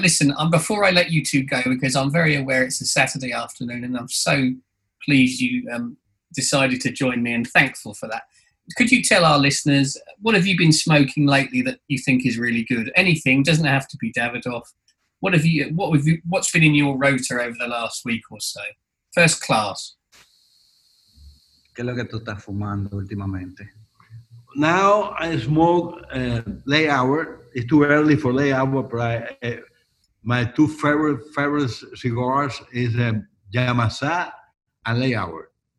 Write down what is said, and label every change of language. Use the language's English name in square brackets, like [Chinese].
[English] Listen, before I let you two go, because I'm very aware it's a Saturday afternoon, and I'm so pleased you decided to join me and thankful for that. Could you tell our listeners, what have you been smoking lately that you think is really good? Anything, doesn't have to be Davidoff. What's been in your rota over the last week or so? First class. [Spanish] ¿Qué es lo que tú estás fumando últimamente? [English] Now I smoke late hour. It's too early for late hour, but I, my two favorite cigars is Yamasá and late hour.